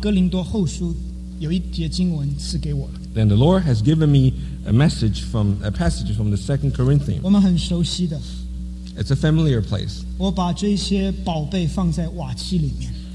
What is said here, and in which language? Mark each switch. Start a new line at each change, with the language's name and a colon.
Chinese: 因为在那个时候神就把哥林多后书有一节经文赐给我了。
English: Then the Lord has given me a passage from the 2 Corinthians.
Chinese: 我们很熟悉的。
English: It's a familiar place.
Chinese: 我把这些宝贝放在瓦器里面。